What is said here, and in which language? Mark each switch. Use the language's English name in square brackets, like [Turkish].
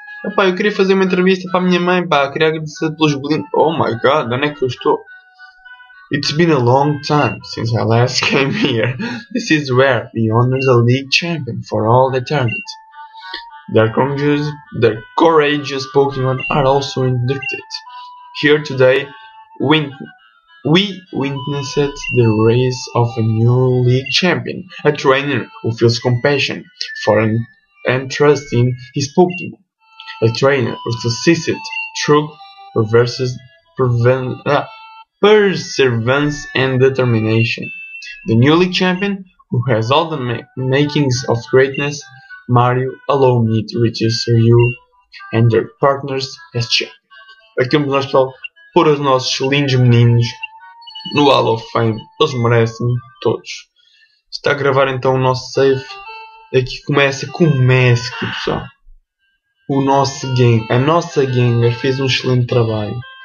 [Portuguese] Epá, eu queria fazer uma entrevista para a minha mãe, pá, eu queria agradecer pelos bolinhos. [English] Oh my god, [Portuguese] onde é que eu estou? [English] It's been a long time since I last came here. This is where we honor the league champion for all eternity. Their courageous Pokémon are also inducted. Here today, we witnessed the rise of a new league champion, a trainer who feels compassion for and trust in his Pokémon. A trainer who succeeded through perseverance and determination. The newly champion who has all the makings of greatness, Mario, allow me to register you and your partners as champion. [Portuguese] Aqui vamos nós para pôr os nossos lindos meninos no Hall of Fame. Eles merecem todos. Está a gravar então o nosso save. Aqui começa com o Messi, pessoal. O nosso gang, a nossa Gengar fez um excelente trabalho.